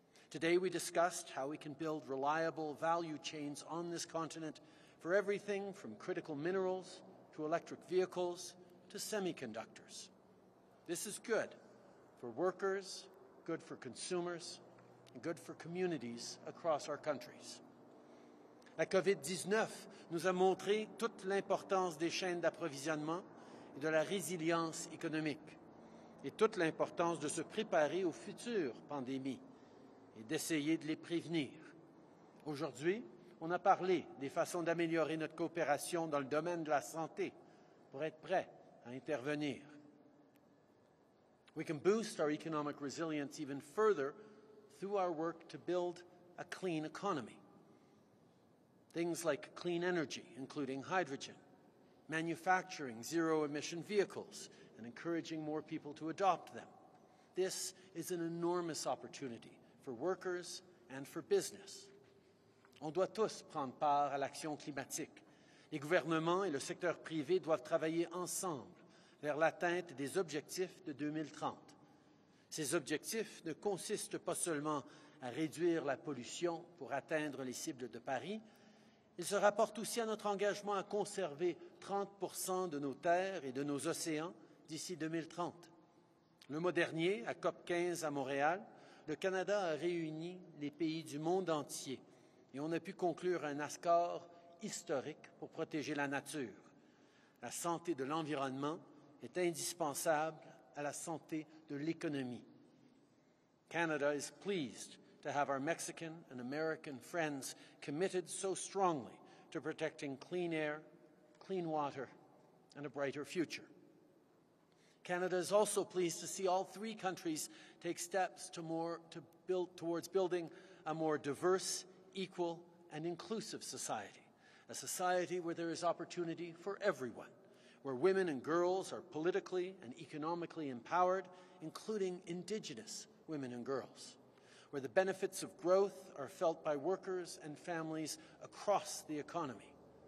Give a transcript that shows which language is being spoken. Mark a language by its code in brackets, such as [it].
[en] Today we discussed how we can build reliable value chains on this continent for everything from critical minerals to electric vehicles to semiconductors. This is good for workers, good for consumers, and good for communities across our countries. [fr] La COVID-19 nous a montré toute l'importance des chaînes d'approvisionnement et de la résilience économique, et toute l'importance de se préparer aux futures pandémies et d'essayer de les prévenir. Aujourd'hui, on a parlé des façons d'améliorer notre coopération dans le domaine de la santé pour être prêt à intervenir. [en] We can boost our economic resilience even further through our work to build a clean economy. Things like clean energy, including hydrogen, manufacturing zero-emission vehicles, and encouraging more people to adopt them. This is an enormous opportunity for workers and for business. [fr] On doit tous prendre part à l'action climatique. Les gouvernements et le secteur privé doivent travailler ensemble vers l'atteinte des objectifs de 2030. Ces objectifs ne consistent pas seulement à réduire la pollution pour atteindre les cibles de Paris. Il se rapporte aussi à notre engagement à conserver 30% de nos terres et de nos océans d'ici 2030. Le mois dernier, à COP15 à Montréal, le Canada a réuni les pays du monde entier et on a pu conclure un accord historique pour protéger la nature. La santé de l'environnement est indispensable à la santé de l'économie. [en] Canada is pleased to have our Mexican and American friends committed so strongly to protecting clean air, clean water, and a brighter future. Canada is also pleased to see all three countries take steps towards building a more diverse, equal, and inclusive society, a society where there is opportunity for everyone, where women and girls are politically and economically empowered, including Indigenous women and girls, where the benefits of growth are felt by workers and families across the economy.